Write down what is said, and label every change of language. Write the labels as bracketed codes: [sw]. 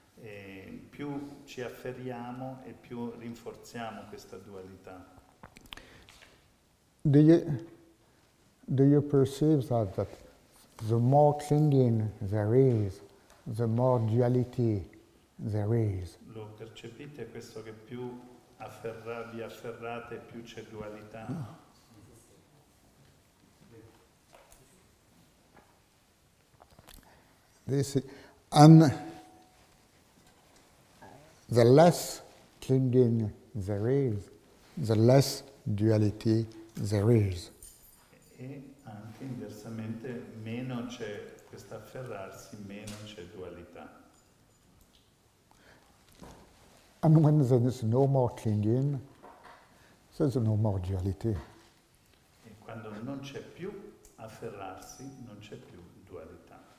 [it] E più ci afferriamo e più rinforziamo questa dualità. [en] Do you perceive that the more clinging there is, the more duality there is? [it] Lo percepite questo, che più vi afferrate più c'è dualità? [en] No. This and the less clinging there is, the less duality there is. [it] E anche inversamente, meno c'è questo afferrarsi, meno c'è dualità. [en] And when there is no more clinging, there's no more duality. [it] E quando non c'è più afferrarsi, non c'è più dualità.